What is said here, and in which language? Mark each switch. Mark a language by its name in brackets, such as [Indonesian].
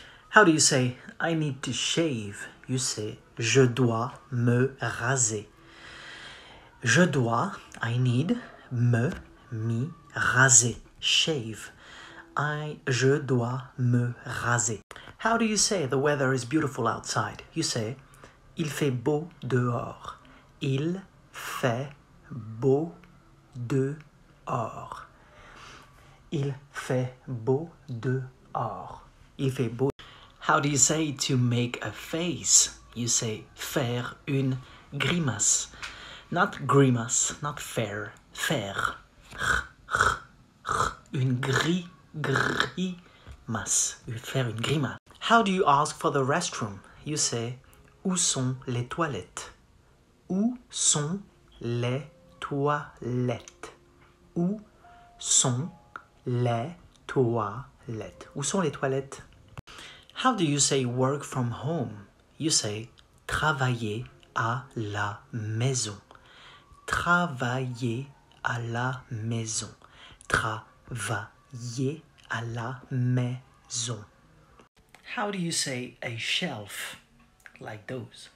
[English] How do you say I need to shave? You say [French] je dois me raser. Je dois, [English] I need, [French] me raser. [English] Shave. [French] Je dois me raser. [English] How do you say the weather is beautiful outside? You say, [French] il fait beau dehors. Il fait beau dehors. Il fait beau dehors. Il fait beau. [English] How do you say to make a face? You say, [French] faire une grimace. [English] Not grimace, not faire. Faire. [French] Une grimace. Faire une grimace. [English] How do you ask for the restroom? You say, [French] où sont les toilettes? Où sont les toilettes? Où sont les toilettes? Où sont les toilettes? [English] How do you say work from home? You say, [French] travailler à la maison. Travailler à la maison. Travailler à la maison. [English] How do you say a shelf? Like those.